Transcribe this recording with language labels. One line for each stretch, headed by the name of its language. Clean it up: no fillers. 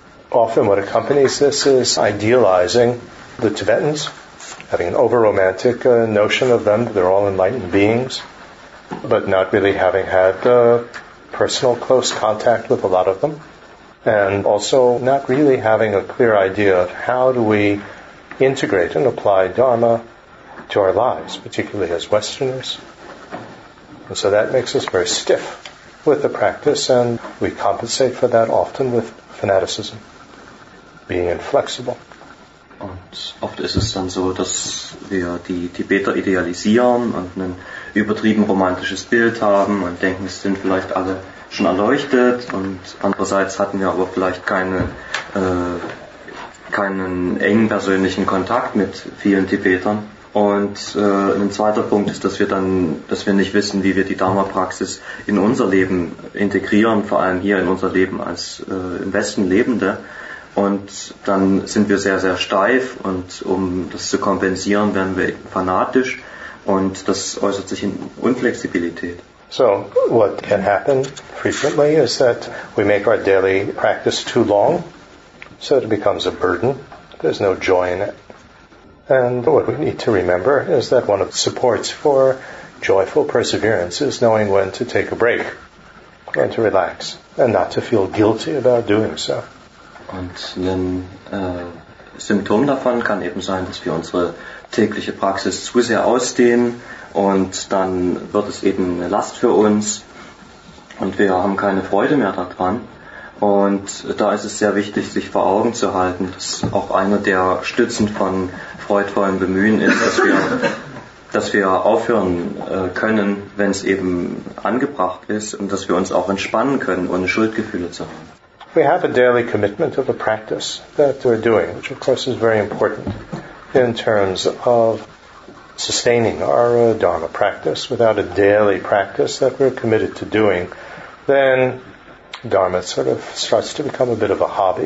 English: Often what accompanies this is idealizing the Tibetans, having an over-romantic notion of them, that they're all enlightened beings, but not really having had personal close contact with a lot of them, and also not really having a clear idea of how do we integrate and apply Dharma to our lives, particularly as Westerners. And so that makes us very stiff with the practice, and we compensate for that often with fanaticism, being inflexible.
German: Und oft ist es dann so, dass wir die Tibeter idealisieren und ein übertrieben romantisches Bild haben und denken, es sind vielleicht alle schon erleuchtet, und andererseits hatten wir aber vielleicht keinen engen persönlichen Kontakt mit vielen Tibetern. Und ein zweiter Punkt ist, dass wir nicht wissen, wie wir die Dharma-Praxis in unser Leben integrieren, vor allem hier in unser Leben als im Westen Lebende. Und dann sind wir sehr, sehr steif, und um das zu kompensieren, werden wir fanatisch, und das äußert sich in Unflexibilität.
English: So, what can happen frequently is that we make our daily practice too long, so it becomes a burden. There's no joy in it. And what we need to remember is that one of the supports for joyful perseverance is knowing when to take a break and to relax and not to feel guilty about doing so.
German: Und ein Symptom davon kann eben sein, dass wir unsere tägliche Praxis zu sehr ausdehnen, und dann wird es eben eine Last für uns und wir haben keine Freude mehr daran. Und da ist es sehr wichtig, sich vor Augen zu halten, dass auch einer der Stützen von freudvollem Bemühen ist, dass wir aufhören können, wenn es eben angebracht ist, und dass wir uns auch entspannen können, ohne Schuldgefühle zu haben.
English: We have a daily commitment of the practice that we're doing, which of course is very important in terms of sustaining our Dharma practice. Without a daily practice that we're committed to doing, then Dharma sort of starts to become a bit of a hobby.